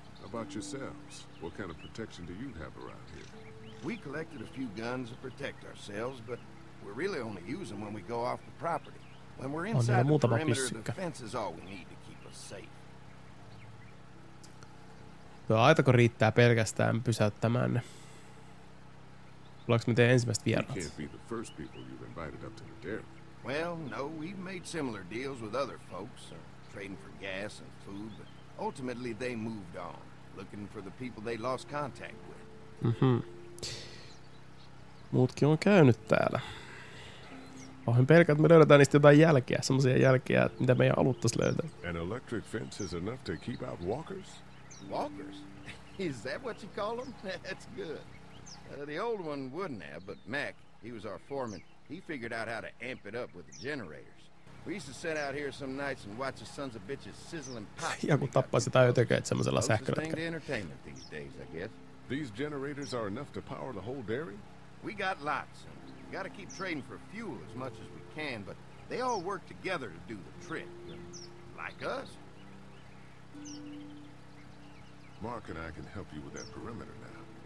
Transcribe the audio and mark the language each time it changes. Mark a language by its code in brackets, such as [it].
[en] About yourselves, what kind of protection do you have around here? We collected a few guns to protect ourselves, but we really only use them when we go off the property. When we're inside the perimeter, the fence is all we need to keep us safe. [fi] Tuo aitako riittää pelkästään pysäyttämään ne? Tuleeks me teidän ensimmäiset vieraat? [en] We can't be the first people you've invited up to the dairy. Well, no, we've made similar deals with other folks, trading for gas and food, but ultimately they moved on. Looking for the people they lost contact with. [fi] Muutkin on käynyt täällä. Pahoin pelkään, että me löydetään niistä jotain jälkeä, semmoisia jälkeä, mitä meidän aluttaisi löytää. [en] An electric fence is enough to keep out walkers? Walkers? Is that what you call them? That's good. The old one wouldn't have, but Mac, he was our foreman, he figured out how to amp it up with the generators. We used to sit out here some nights and watch the sons of bitches sizzling pots. [fi] Ja kun tappaisi tai jotenkin, että semmoisella sähkölätkällä. [en] Closest thing to entertainment these days, I guess. These generators are enough to power the whole dairy? We got lots. We gotta keep trading for fuel as much as we can, but they all work together to do the trick. Like us. Mark and I can help you with that perimeter now.